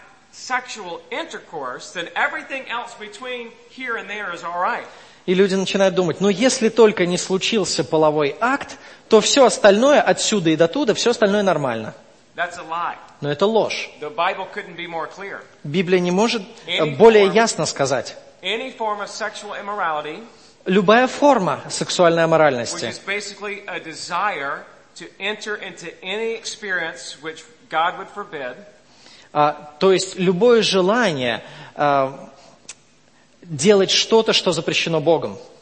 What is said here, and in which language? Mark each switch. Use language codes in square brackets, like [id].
[en] Sexual intercourse, then everything else between here and there is all right. [ru] И люди начинают думать, ну если только не случился половой акт, то все остальное отсюда и до туда, все остальное нормально. [en] That's a lie. [ru] Но это ложь. [en] The Bible couldn't be more clear. [ru] Библия не может более ясно сказать. [en] Any form of sexual immorality, [ru] любая форма сексуальной аморальности, [en] which is basically a desire to enter into any experience which God would forbid. [ru] То есть любое желание делать что-то, что запрещено Богом.